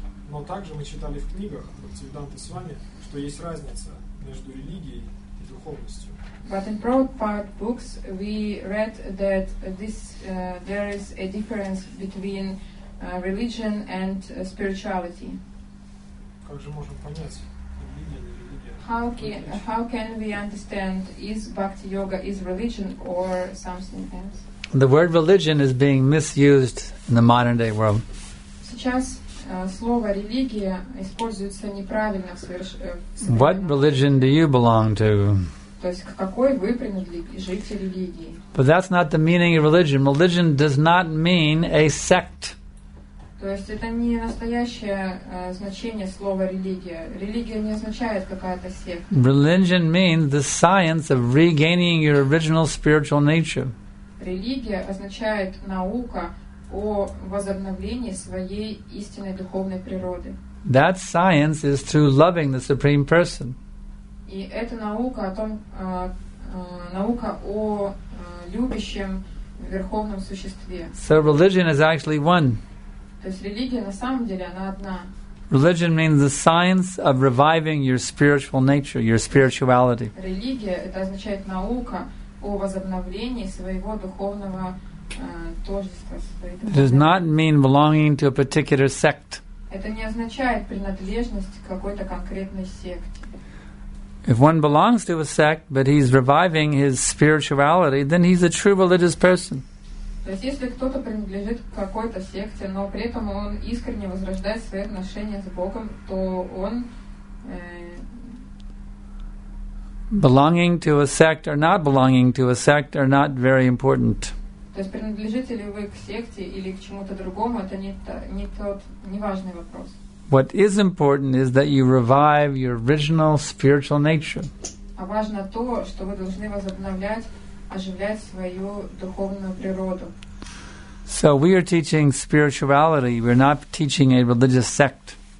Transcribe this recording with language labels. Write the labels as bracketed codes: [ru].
[ru] Но также мы читали в книгах Бхактисиддханта Свами, что есть разница между религией и духовностью. [en] But in Prabhupada books we read that this there is a difference between religion and spirituality. [ru] Как же можем понять, религия или религия? [en] How can we understand, is Bhakti Yoga is religion or something else? The word religion is being misused in the modern day world. [ru] Сейчас слово религия используется неправильно в современном. [en] What religion do you belong to? [ru] То есть к какой вы принадлежите религии? [en] But that's not the meaning of religion. Religion does not mean a sect. [ru] То есть это не настоящее значение слова религия. Религия не означает какая-то секта. [en] Religion means the science of regaining your original spiritual nature. [ru] Религия означает наука о возобновлении своей истинной духовной природы. [en] That science is through loving the Supreme Person. [ru] И это наука о том, наука о любящем верховном существе. [en] So religion is actually one. [ru] То есть религия на самом деле она одна. [en] Religion means the science of reviving your spiritual nature, your spirituality. [ru] Религия — это означает наука о возобновлении своего духовного. [en] It does not mean belonging to a particular sect. [ru] Это не означает принадлежность к какой-то конкретной секте. [en] If one belongs to a sect, but he's reviving his spirituality, then he's a true religious person. [ru] То есть если кто-то принадлежит к какой-то секте, но при этом он искренне возрождает свои отношения с Богом, то он [en] belonging to a sect or not belonging to a sect are not very important. [ru] То есть принадлежите ли вы к секте или к чему-то другому, это не важный вопрос. [en] What is important is that you revive your original spiritual nature. [ru] А важно то, что вы должны возобновлять, оживлять свою духовную природу. [en] So we are teaching spirituality, we're not teaching a religious sect.